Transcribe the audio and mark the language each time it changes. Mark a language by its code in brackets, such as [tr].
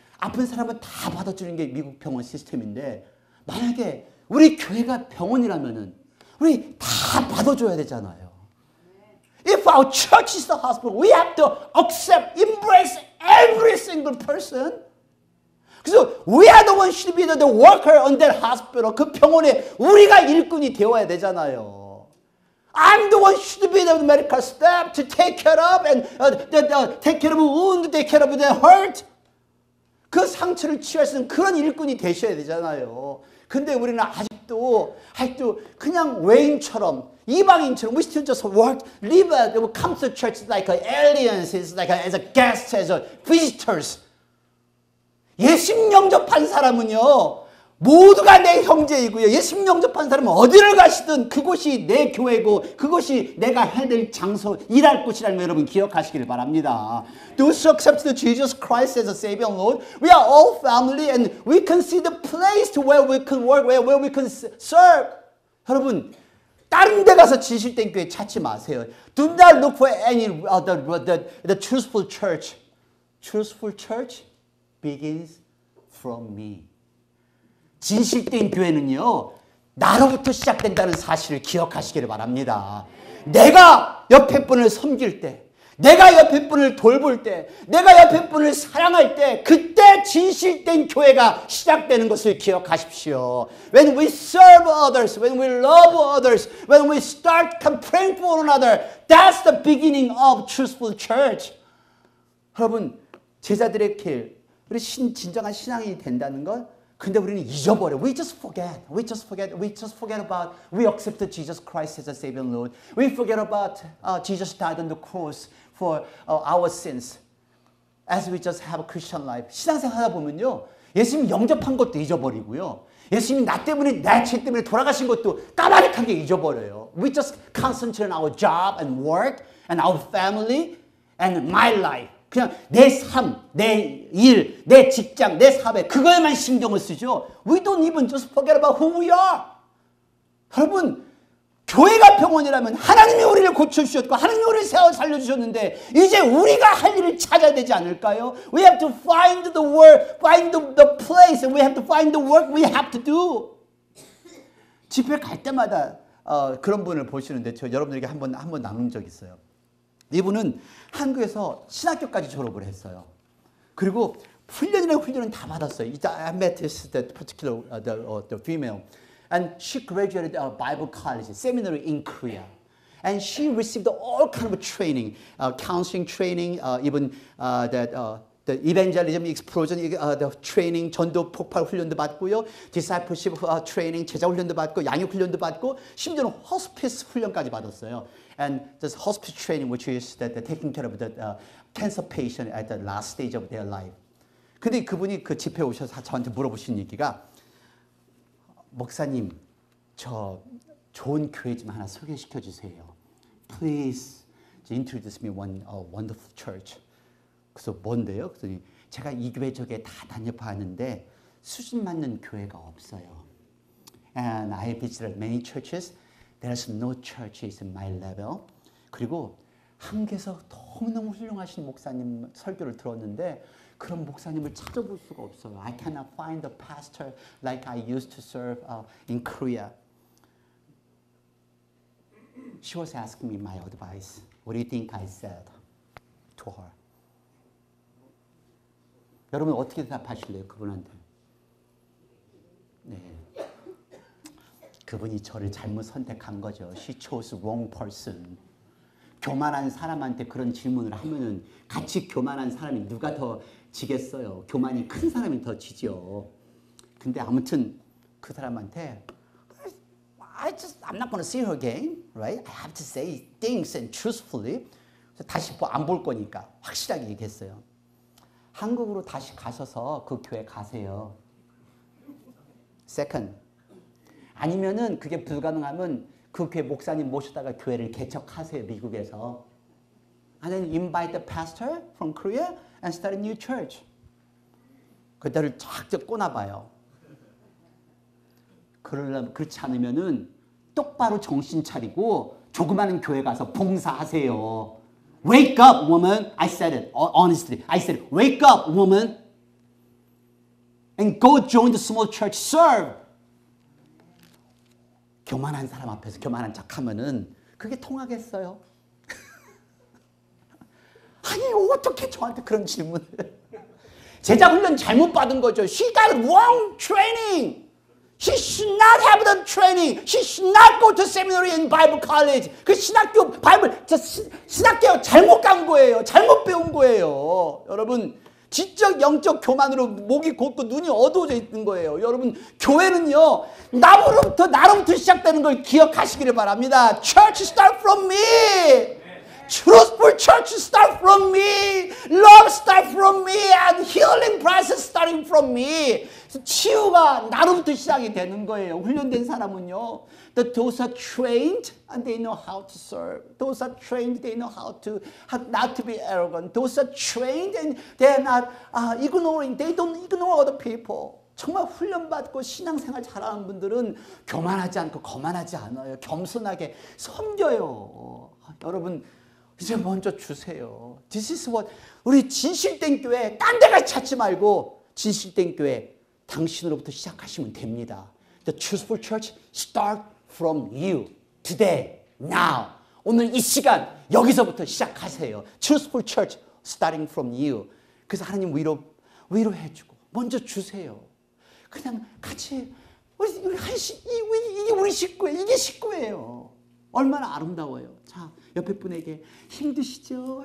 [ko] 아픈 사람은 다 받아주는 게 미국 병원 시스템인데 만약에 우리 교회가 병원이라면은 우리 다 받아줘야 되잖아요. [en] If our church is the hospital, we have to accept, embrace every single person. [ko] 그래서 [en] we are the one should be the worker on that hospital. [ko] 그 병원에 우리가 일꾼이 되어야 되잖아요. [en] I'm the one should be the medical staff to take care of and take care of wound, take care of the hurt. [ko] 그 상처를 치유할 수 있는 그런 일꾼이 되셔야 되잖아요. 근데 우리는 아직도 그냥 외인처럼 이방인처럼 [en] we still just work, live, come to church like aliens, like as a guest, as a visitors. [ko] 예수님 영접한 사람은요 모두가 내 형제이고요. 예수님 영접한 사람은 어디를 가시든 그곳이 내 교회고 그곳이 내가 해야 될 장소, 일할 곳이라는 거 여러분 기억하시길 바랍니다. [en] Those who accepted Jesus Christ as a Savior and Lord, we are all family and we can see the place to where we can work, where we can serve. [ko] 여러분 다른 데 가서 진실된 교회 찾지 마세요. [en] Do not look for any other the truthful church. Truthful church begins from me. [ko] 진실된 교회는요 나로부터 시작된다는 사실을 기억하시기를 바랍니다. 내가 옆에 분을 섬길 때, 내가 옆에 분을 돌볼 때, 내가 옆에 분을 사랑할 때 그때 진실된 교회가 시작되는 것을 기억하십시오. [en] When we serve others, when we love others, when we start praying for one another, that's the beginning of truthful church. [ko] 여러분 제자들의 길, 우리 진정한 신앙이 된다는 것 근데 우리는 잊어버려. [en] We just forget about we accept Jesus Christ as a Savior and Lord. We forget about Jesus died on the cross for our sins. As we just have a Christian life. [ko] 신앙생활 하다 보면요. 예수님이 영접한 것도 잊어버리고요. 예수님이 나 때문에, 나 죄 때문에 돌아가신 것도 까마득하게 잊어버려요. [en] We just concentrate on our job and work and our family and my life. [ko] 그냥 내 삶, 내 일, 내 직장, 내 사회 그거에만 신경을 쓰죠. [en] We don't even just forget about who we are. [ko] 여러분, 교회가 병원이라면 하나님이 우리를 고쳐주셨고 하나님이 우리를 세워 살려주셨는데 이제 우리가 할 일을 찾아야 되지 않을까요? [en] We have to find the work, find the place, and we have to find the work we have to do. [ko] 집회 갈 때마다 그런 분을 보시는데 저 여러분들에게 한번 나눈 적 있어요. 이분은 한국에서 신학교까지 졸업을 했어요. 그리고 훈련은 다 받았어요. [en] I met this particular the female. And she graduated a Bible college seminary in Korea. And she received all kind of training, counseling training, even the evangelism explosion the training, [ko] 전도 폭발 훈련도 받고요, [en] discipleship training, [ko] 제자 훈련도 받고, 양육 훈련도 받고, 심지어는 hospice 훈련까지 받았어요. [en] And this hospice training, which is that they're taking care of the cancer patient at the last stage of their life. [ko] 근데 그분이 그 집회 오셔서 저한테 물어보신 얘기가, 목사님, 저 좋은 교회 좀 하나 소개시켜 주세요. [en] Please introduce me one wonderful church. [ko] 그래서 뭔데요? 그랬더니 제가 이 교회 저게 다 다녀봤는데 수준 맞는 교회가 없어요. [en] And I visited many churches. There's no churches in my level. [ko] 그리고 한국에서 너무너무 훌륭하신 목사님 설교를 들었는데 그런 목사님을 찾아볼 수가 없어요. [en] I cannot find a pastor like I used to serve in Korea. She was asking me my advice. What do you think I said to her? [ko] 여러분 어떻게 대답하실래요 그분한테? 네. 그분이 저를 잘못 선택한 거죠. [en] She chose wrong person. [ko] 교만한 사람한테 그런 질문을 하면은 같이 교만한 사람이 누가 더 지겠어요. 교만이 큰 사람이 더 지죠. 근데 아무튼 그 사람한테 [en] I'm not going to see her again, right? I have to say things and truthfully. [ko] 다시 안 볼 거니까 확실하게 얘기했어요. 한국으로 다시 가셔서 그 교회 가세요. [en] Second. [ko] 아니면은 그게 불가능하면 그 교회 목사님 모셨다가 교회를 개척하세요. 미국에서. [en] And then invite the pastor from Korea and start a new church. [ko] 그때를 쫙쫙 꼬나봐요. 그렇지 않으면은 똑바로 정신 차리고 조그마한 교회 가서 봉사하세요. [en] Wake up, woman. I said it. Honestly, I said it. Wake up, woman. And go join the small church. Serve. [ko] 교만한 사람 앞에서 교만한 척 하면은 그게 통하겠어요? 아니 어떻게 저한테 그런 질문을 제자 훈련 잘못 받은 거죠. She got wrong training. She should not have the training. She should not go to seminary and Bible college. 그 신학교 바이블 저 신학교 잘못 간 거예요. 잘못 배운 거예요. 여러분 지적 영적 교만으로 목이 곧고 눈이 어두워져 있는 거예요. 여러분 교회는요 나로부터 나로부터 시작되는 걸 기억하시기를 바랍니다. [en] Church start from me. Truthful church start from me. Love start from me. And healing process starting from me. [ko] 치유가 나로부터 시작이 되는 거예요. 훈련된 사람은요. [en] Those are trained and they know how to serve. Those are trained, they know how not to be arrogant. Those are trained and they are not ignoring. They don't ignore other people. [ko] 정말 훈련받고 신앙생활 잘하는 분들은 교만하지 않고 거만하지 않아요. 겸손하게 섬겨요. 여러분 이제 먼저 주세요. [en] This is what [ko] 우리 진실된 교회 딴 데가 찾지 말고 진실된 교회 당신으로부터 시작하시면 됩니다. [en] The truthful church start from you today, now. [ko] 오늘 이 시간 여기서부터 시작하세요. [en] Truthful church starting from you. [ko] 그래서 하나님 위로해 주고 먼저 주세요. 그냥 같이 우리 식구예요. 이게 식구예요. 얼마나 아름다워요. 자, 옆에 분에게 힘드시죠?